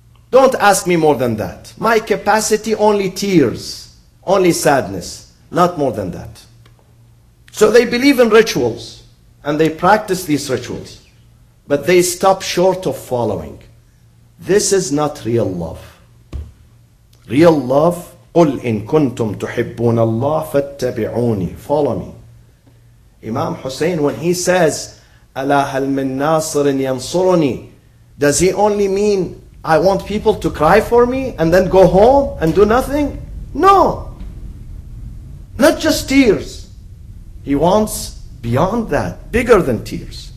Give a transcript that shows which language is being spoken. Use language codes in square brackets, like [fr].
[en] Don't ask me more than that. My capacity, only tears, only sadness, not more than that. So they believe in rituals and they practice these rituals, but they stop short of following. This is not real love. Real love, [ar] قُلْ إِن كُنْتُمْ تُحِبُّونَ اللَّهِ فَاتَّبِعُونِي. [en] Follow me. Imam Hussein, when he says, [ar] أَلَا هَلْ مِنْ نَاصِرٍ يَنْصُرُنِي, [en] does he only mean, I want people to cry for me and then go home and do nothing? No. Not just tears. He wants beyond that, bigger than tears.